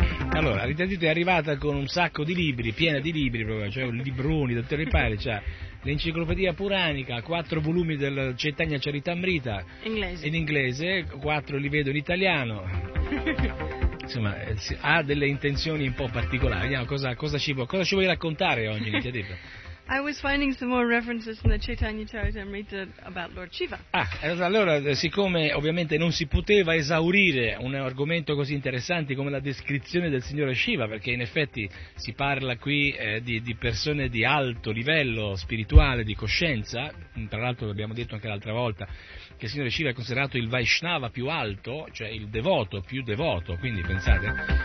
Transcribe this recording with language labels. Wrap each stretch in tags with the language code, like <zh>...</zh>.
<it>Allora, Nitya Tripta è arrivata con un sacco di libri, piena di libri proprio, cioè libroni da tutte le parti, cioè l'enciclopedia puranica, 4 volumi del Chaitanya Charitamrita in inglese, 4 li vedo in italiano. Insomma, ha delle intenzioni un po' particolari. Vediamo cosa ci vuoi raccontare oggi, Nitya Tripta.</it> <en>I was finding some more references in the Chaitanya Charitamrita about Lord Shiva.</en> <it>Ah, allora, siccome ovviamente non si poteva esaurire un argomento così interessante come la descrizione del signore Shiva, perché in effetti si parla qui di persone di alto livello spirituale, di coscienza, tra l'altro l'abbiamo detto anche l'altra volta, che il signore Shiva è considerato il Vaishnava più alto, cioè il devoto più devoto, quindi pensate.</it>